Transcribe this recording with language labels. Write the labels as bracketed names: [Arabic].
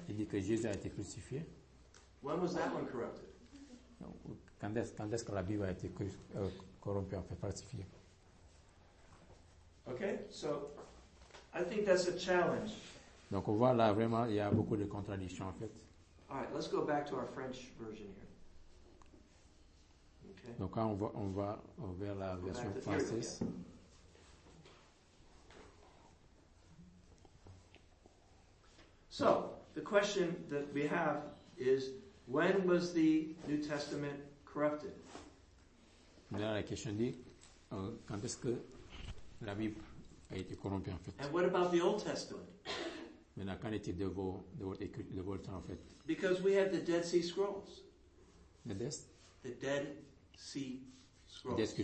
[French] Il dit que Jésus a été crucifié. [English] When was that one corrupted? [French] Quand est-ce que la Bible a été corrompue, en fait falsifiée? [English] Okay, so I think that's a challenge. [French] Donc voilà, vraiment, il y a beaucoup de contradictions, en fait. [English] All right, let's go back to our French version here. Okay. [French] Donc quand on va vers la version française. [English] So, the question that we have is, when was the New Testament corrupted? [French] Là, la question dit, quand est-ce que la Bible a été corrompue, en fait? [English] And what about the Old Testament? [French] Maintenant, qu'en est-il de votre temps, en fait? [English] Because we have the Dead Sea Scrolls. The Dead Sea Scrolls.